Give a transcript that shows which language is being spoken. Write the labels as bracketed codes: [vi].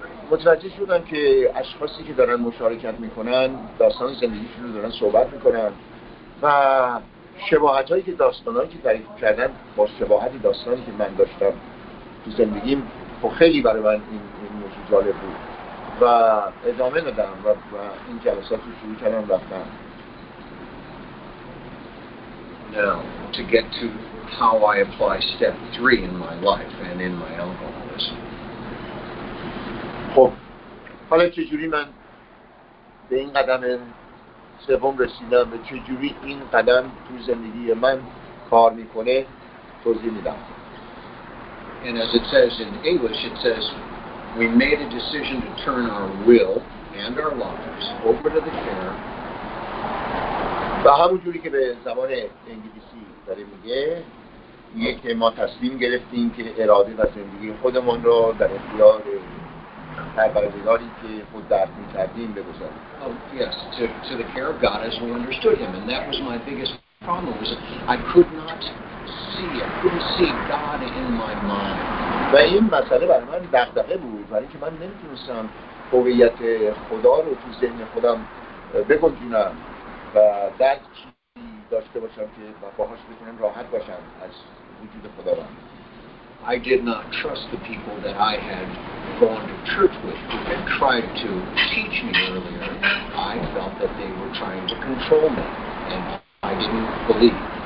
[fa] متوجه شدم که اشخاصی که دارن مشارکت میکنن داستان زندگیشون رو دارن صحبت میکنن و شباهت هایی که داستان هایی که تعریف کردن با شباهتی داستانی که من داشتم تو زندگیم، خیلی برای من این موضوع جالب بود و ادامه دادم و این جلسات رو شروع کردم رفتم. [en] Now to get to how I apply step 3 in my life and in my alcoholism. [fa] خب حالا چجوری من به این قدم سوم رسیدم و چجوری این قدم تو زندگی من کار میکنه توضیح میدم. [en] And as it says in English, it says we made a decision to turn our will and our lives over to the care. [fa] به همون جوری که به زبان انگلیسی داره میگه، یکی ما تصمیم گرفتیم که اراده و زندگی خودمون رو در اختیار پروردگاری که خود درک می‌کردیم بگذاریم. [en] Oh, yes, to the care of God as we understood him, and that was my biggest problem, was I couldn't see God in my mind. [fa] و این مسئله برای من دغدغه بود، برای اینکه من نمی‌تونستم هویت خدا رو تو ذهن خودم بگنجونم و درکی داشته باشم که باهاش بتونم راحت باشم از وجود خدا رو. [en] I did not trust the people that I had gone to church with who had tried to teach me earlier. I felt that they were trying to control me, and I didn't believe.